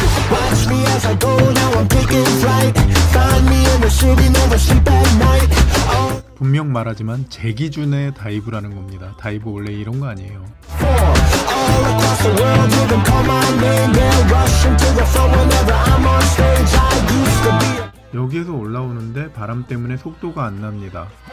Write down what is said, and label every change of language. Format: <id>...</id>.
<en>Watch me as I go, now I'm taking flight. Find me in the city, never sleep at night.</en> <ko>분명 말하지만 제 기준의 다이브라는 겁니다. 다이브 원래 이런 거 아니에요.</ko> <en>All across the world, you can call my name. They're rushing to the floor whenever I'm on stage. I used to be.</en> <ko>여기에서 올라오는데 바람 때문에 속도가 안 납니다.</ko>